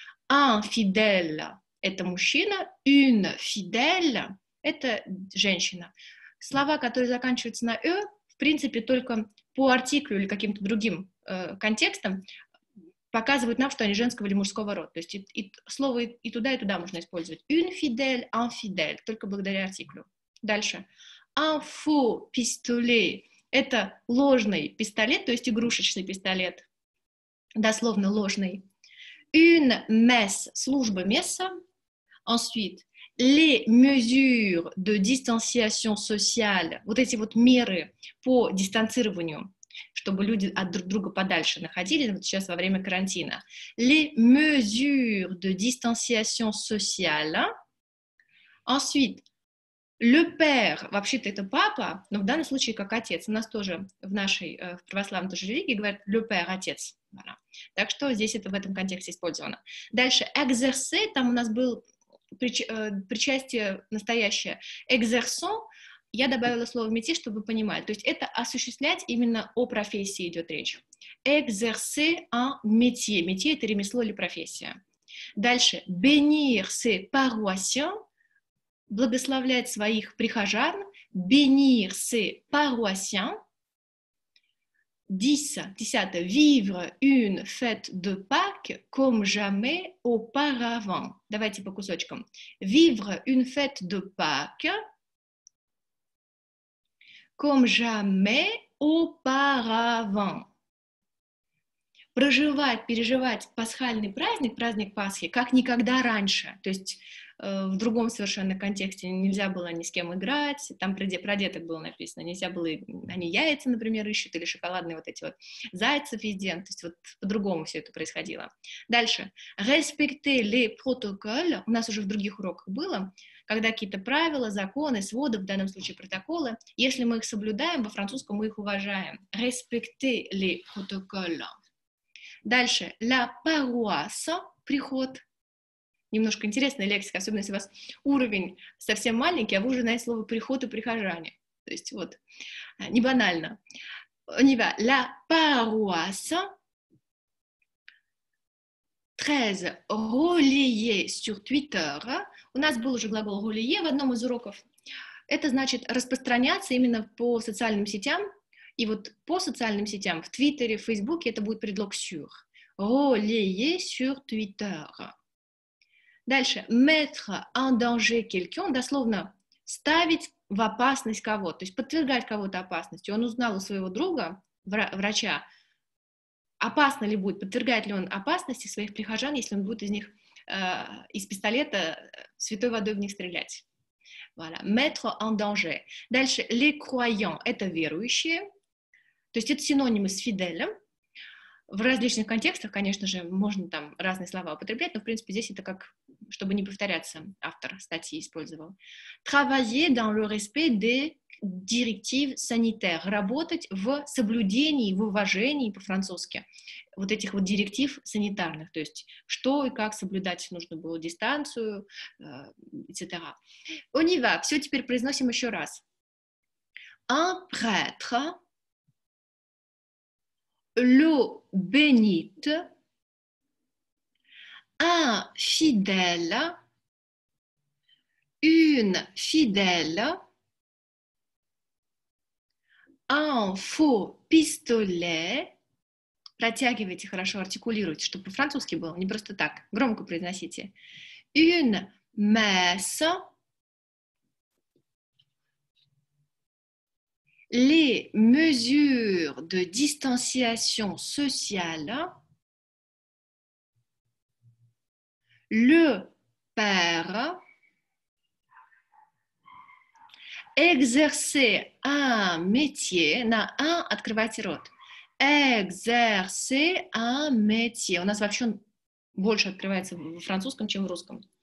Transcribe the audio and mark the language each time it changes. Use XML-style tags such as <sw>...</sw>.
<fr>«Un fidèle»</fr> <ru>— это мужчина,</ru> <fr>«une fidèle»</fr> <ru>— это женщина. Слова, которые заканчиваются на «e», в принципе, только по артиклю или каким-то другим контекстам показывают нам, что они женского или мужского рода. То есть и слово и туда можно использовать.</ru> <fr>«Une fidèle», «un fidèle» —</fr> <ru>только благодаря артиклю. Дальше.</ru> <fr>«Un faux pistolet»</fr> <ru>— это ложный пистолет, то есть игрушечный пистолет, дословно ложный.</ru> <fr>Une messe,</fr> <ru>служба месса.</ru> <fr>Ensuite, les mesures de distanciation sociale,</fr> <ru>вот эти вот меры по дистанцированию, чтобы люди от друг друга подальше находились, вот сейчас во время карантина.</ru> <fr>Les mesures de distanciation sociale.</fr> <ru>Ensuite,</ru> <fr>«le père»,</fr> <ru>вообще-то это папа, но в данном случае как отец. У нас тоже в нашей, в православной тоже религии говорят</ru> <fr>«le père»,</fr> <ru>отец. Так что здесь это в этом контексте использовано. Дальше, «exercé», там у нас было причастие настоящее. «Exerçant», я добавила слово «métier», чтобы вы понимали. То есть это осуществлять, именно о профессии идет речь.</ru> <fr>«Exercé un métier».</fr> <ru>«Métier» — это ремесло или профессия.</ru> <fr>Дальше, «bénir ses paroissiens»,</fr> <ru>благословлять своих прихожан,</ru> <fr>bénir ses paroissiens,</fr> <ru>десятое,</ru> <fr>vivre une fête de Pâques comme jamais auparavant.</fr> <ru>Давайте по кусочкам.</ru> <fr>Vivre une fête de Pâques comme jamais auparavant.</fr> <ru>Проживать, переживать пасхальный праздник, праздник Пасхи, как никогда раньше. То есть в другом совершенно контексте нельзя было ни с кем играть, там про деток было написано, нельзя было, они яйца, например, ищут, или шоколадные вот эти вот зайцы везде, то есть вот по-другому все это происходило. Дальше.</ru> <fr>Respecter les protocoles,</fr> <ru>у нас уже в других уроках было, когда какие-то правила, законы, своды, в данном случае протоколы, если мы их соблюдаем, во французском мы их уважаем.</ru> <fr>Respecter les protocoles.</fr> <ru>Дальше.</ru> <fr>La paroisse,</fr> <ru>приход. Немножко интересная лексика, особенно если у вас уровень совсем маленький, а вы уже знаете слово «приход» и «прихожане». То есть вот, не банально.</ru> <fr>On y va. La paroisse 13 relayé sur Twitter.</fr> <ru>У нас был уже глагол «relayé» в одном из уроков. Это значит распространяться именно по социальным сетям. И вот по социальным сетям, в Твиттере, в Фейсбуке, это будет предлог «sur».</ru> <fr>Relayé sur Twitter.</fr> <ru>Дальше.</ru> <fr>Mettre en danger quelqu'un,</fr> <ru>дословно ставить в опасность кого-то, то есть подвергать кого-то опасности. Он узнал у своего друга, врача, опасно ли будет, подвергает ли он опасности своих прихожан, если он будет из них, из пистолета святой водой в них стрелять.</ru> <fr>Voilà. Mettre en danger.</fr> <ru>Дальше.</ru> <fr>Les croyants,</fr> <ru>это верующие, то есть это синонимы с фиделем. В различных контекстах, конечно же, можно там разные слова употреблять, но, в принципе, здесь это как, чтобы не повторяться, автор статьи использовал.</ru> <fr>Travailler dans le respect des directives sanitaires.</fr> <ru>Работать в соблюдении, в уважении по-французски вот этих вот директив санитарных, то есть что и как соблюдать нужно было, дистанцию, etc.</ru> <fr>On y va,</fr> <ru>все теперь произносим еще раз.</ru> <fr>Un prêtre... L'eau bénite, un fidèle, une fidèle, un faux pistolet.</fr> <ru>Протягивайте хорошо, артикулируйте, чтобы по-французски было, не просто так, громко произносите.</ru> <fr>Une messe, les mesures de distanciation sociale, le père, exercer un métier,</fr> <ru>на un, открывайте рот,</ru> <fr>exercer un métier,</fr> <ru>у нас вообще больше открывается в французском, чем в русском.</ru>